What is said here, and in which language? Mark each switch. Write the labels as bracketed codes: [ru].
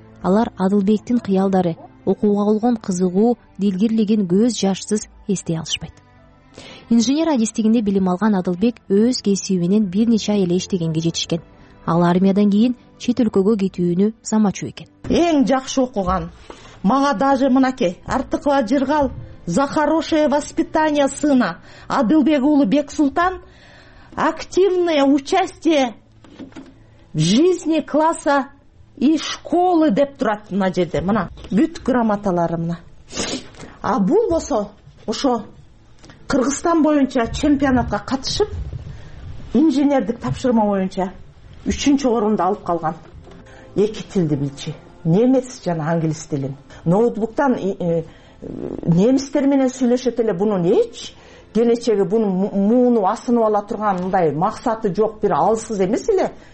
[ky] Алар Адылбектин кыялдары, окууга болгон кызыгуу, дилгирлигин көз жашсыз эстей алышпайт. Инженер адистигинде билим алган Адылбек өз кесиби менен бир нече ай эле иштегенге жетишкен. Ал армиядан кийин чет өлкөгө кетүүнү самачу экен. Эң жакшы окуган. Мага даже мынакей [ru] Артыкова Жыргал за хорошее воспитание сына Адылбек уулу Бексултан активное участие в жизни класса и школы [ky] деп турат мына жерде. Мына бүт грамоталары мына. А бул болсо ошо Кыргызстан боюнча чемпионатка катышып инженердик тапшырма боюнча 3-чү орунду алып калган. Эки тилди билчи. Немец жана англис тилин. Ноутбуктан немистер менен сүйлөшөт эле бунун эч келечеги бунун мууну асынып ала турган мындай максаты жок бир алсыз эмес эле.